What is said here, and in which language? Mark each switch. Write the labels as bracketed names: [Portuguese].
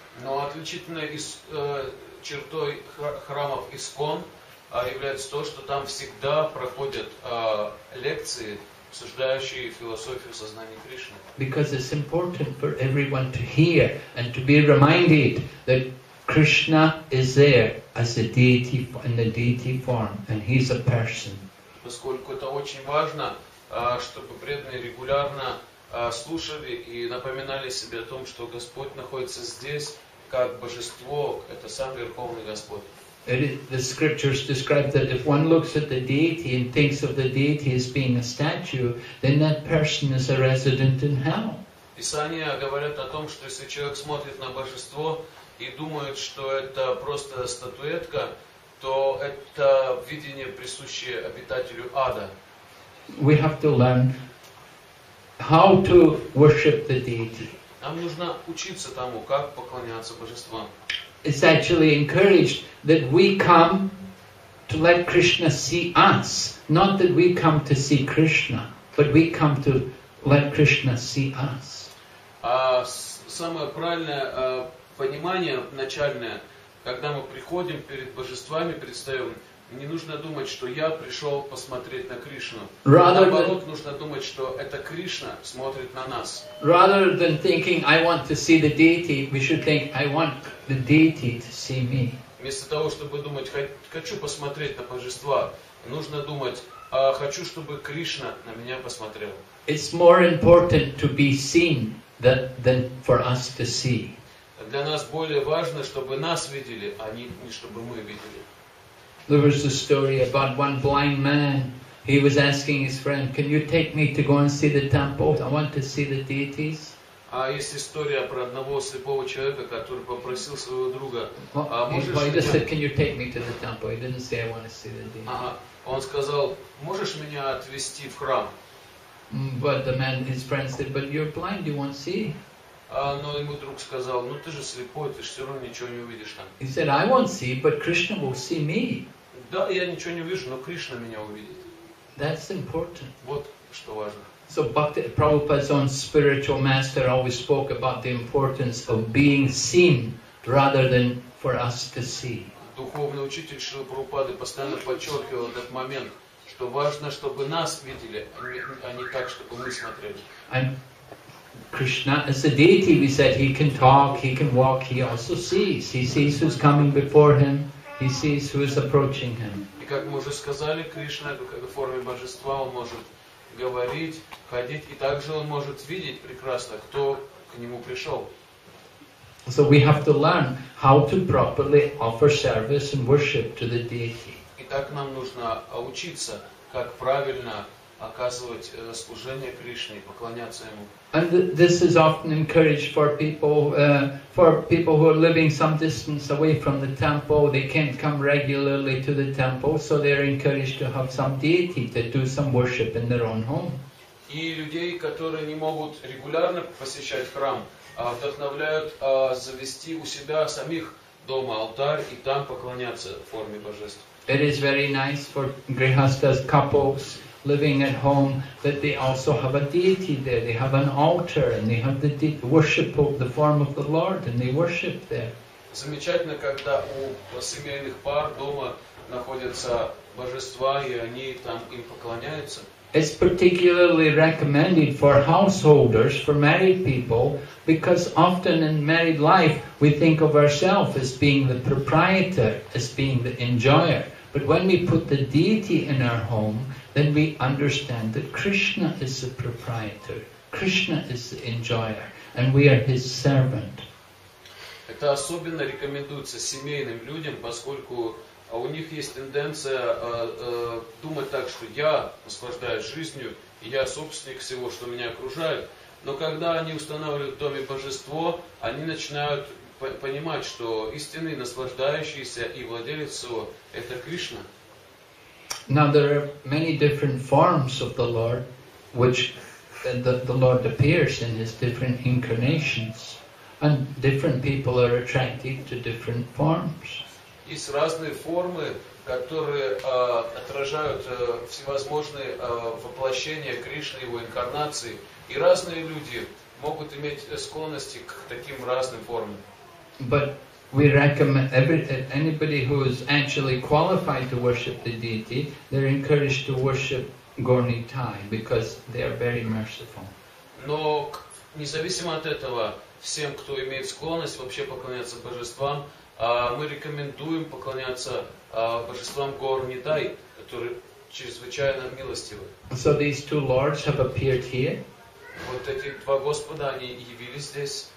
[Russian] Но отличительной чертой храмов ISKCON является то, что там всегда проходят лекции, обсуждающие философию сознания Кришны. [English] Because it's important for everyone to hear and to be reminded that Krishna is there as a deity in the deity form, and he's a person. [Russian] Поскольку это очень важно, чтобы преданные регулярно слушали и напоминали себе о том, что Господь находится здесь как божество, это сам Верховный Господь. [English] The scriptures describe that if one looks at the deity and thinks of the deity as being a statue, then that person is a resident in hell. [Russian] Писания говорят о том, что если человек смотрит на божество и думает, что это просто статуэтка, то это видение присуще обитателю ада. [English] We have to learn how to worship the deity. [Russian] Нам нужно учиться тому, как поклоняться божествам. [English] It's actually encouraged that we come to let Krishna see us, not that we come to see Krishna, but we come to let Krishna see us. [Russian] Самое правильное понимание начальное, когда мы приходим перед божествами, предстаем, не нужно думать, что я пришел посмотреть на Кришну. Наоборот, нужно думать, что это Кришна смотрит на нас. [English] Rather than thinking I want to see the deity, we should think I want the deity to see me. [Russian] Вместо того, чтобы думать, хочу посмотреть на божества, нужно думать, хочу, чтобы Кришна на меня посмотрел. [English] It's more important to be seen than for us to see. [Russian] Для нас более важно, чтобы нас видели, а не чтобы мы видели. [English] There was a story about one blind man. He was asking his friend, can you take me to go and see the temple? I want to see the deities. [Russian] Есть история про одного слепого человека, который попросил своего друга. [English] He just said, can you take me to the temple? He didn't say, I want to see the deities. [Russian] Он сказал, можешь меня отвезти в храм? [English] But his friend said, but you're blind, you won't see. [Russian] Но ему друг сказал, ну ты же слепой, ты же все равно ничего не увидишь там. [English] He said, I won't see, but Krishna will see me. [Russian] Да, я ничего не вижу, но Кришна меня увидит. [English] That's important. [Russian] Вот что важно. [English] So Bhakti, Prabhupada's own spiritual master always spoke about the importance of being seen rather than for us to see. [Russian] Духовный учитель Шрила Прабхупады постоянно подчеркивал этот момент, что важно, чтобы нас видели, а не так, чтобы мы смотрели. [English] Krishna is a deity, we said, he can talk, he can walk, he also sees. He sees who's coming before him, he sees who is approaching him. [Russian] И как мы уже сказали, Кришна в форме божества, он может говорить, ходить, и также он может видеть прекрасно, кто к нему пришел. [English] So we have to learn how to properly offer service and worship to the deity. [Russian] И так нам нужно учиться, как правильно оказывать служение Кришне, поклоняться ему. [English] And this is often encouraged for people who are living some distance away from the temple. They can't come regularly to the temple, so they are encouraged to have some deity to do some worship in their own home. [Russian] И людей, которые не могут регулярно посещать храм, вдохновляют завести у себя самих дома алтарь и там поклоняться в форме божеств. [English] It is very nice for grihastas couples living at home, that they also have a deity there. They have an altar and they have the worship of the form of the Lord and they worship there. [Russian] Замечательно, когда у семейных пар дома находятся божества и они там им поклоняются. [English] It's particularly recommended for householders, for married people, because often in married life we think of ourselves as being the proprietor, as being the enjoyer. But when we put the deity in our home, then we understand that Krishna is the proprietor, Krishna is the enjoyer, and we are his servant. [Russian] Это особенно рекомендуется семейным людям, поскольку у них есть тенденция думать так, что я наслаждаюсь жизнью, и я собственник всего, что меня окружает. Но когда они устанавливают в доме божество, они начинают понимать, что истинный наслаждающийся и владелец всего – это Кришна. [English] Now there are many different forms of the Lord, which the Lord appears in his different incarnations. And different people are attracted to different forms. [Russian] Есть разные формы, которые отражают всевозможные воплощения Кришны, его инкарнации. И разные люди могут иметь склонности к таким разным формам. [English] But we recommend anybody who is actually qualified to worship the deity, they're encouraged to worship Gornitai, because they are very merciful. [Russian] Но независимо от этого, всем, кто имеет склонность вообще поклоняться божествам, мы рекомендуем поклоняться божествам Горнитай, которые чрезвычайно милостивы. [English] So these two lords have appeared here. [Russian] Вот эти два господа, они явились здесь.